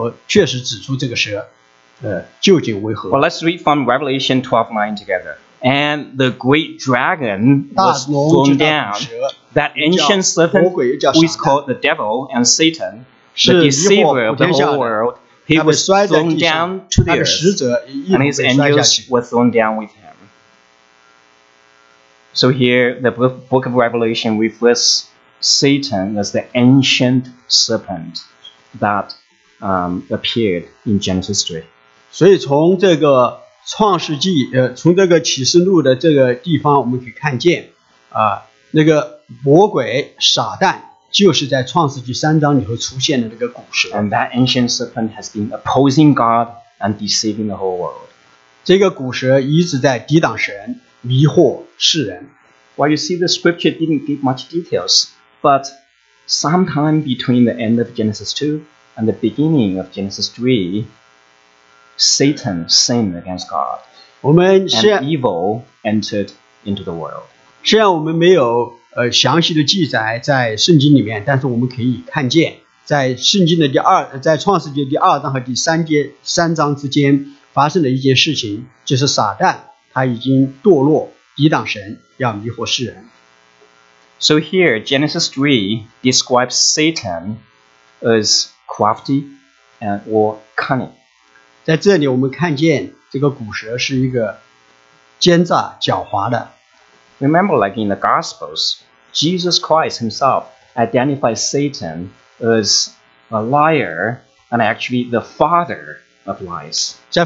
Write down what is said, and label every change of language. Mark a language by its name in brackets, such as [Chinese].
[Chinese] 虽然圣经上没有很详细的记载这个蛇的来历，但是在最后一卷书里头，他确实指出，在圣经的最后一卷书里头确实指出这个蛇，究竟为何。 [English] Well, let's read from Revelation 12:9 together. And the great dragon was thrown down, that ancient serpent who is called the devil and Satan, the deceiver of the whole world, he was thrown down to the earth, and his angels were thrown down with him. So here, the book of Revelation refers Satan as the ancient serpent that appeared in Genesis 3. [Chinese] 所以从这个创世纪, 从这个启示录的这个地方我们可以看见, 那个魔鬼撒旦, 就是在创世纪三章里头出现的那个古蛇。 [English] And that ancient serpent has been opposing God and deceiving the whole world. [Chinese] 这个古蛇一直在抵挡神, 迷惑世人。 [English] Well, you see, the scripture didn't give much details, but sometime between the end of Genesis 2 and the beginning of Genesis 3, Satan sinned against God, and evil entered into the world. [Chinese] 虽然我们没有 详细的记载在圣经里面，但是我们可以看见，在圣经的第二，在创世纪第二章和第三节三章之间发生的一件事情，就是撒旦他已经堕落，抵挡神，要迷惑世人。So [English] here Genesis 3 describes Satan as crafty and or cunning. [Chinese] 在这里我们看见这个古蛇是一个奸诈狡猾的。 [English] Remember, like in the Gospels, Jesus Christ himself identifies Satan as a liar and actually the father of lies.